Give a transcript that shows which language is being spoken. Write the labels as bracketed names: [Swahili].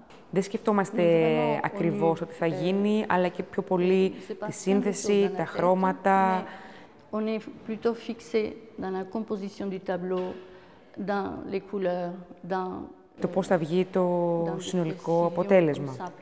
[Greek] Δεν σκεφτόμαστε ακριβώς ότι θα γίνει, αλλά και πιο πολύ τη σύνθεση, τα χρώματα. [French] On est plutôt fixé dans la composition du tableau, dans les couleurs, dans [Greek] το πώς θα βγει το συνολικό αποτέλεσμα.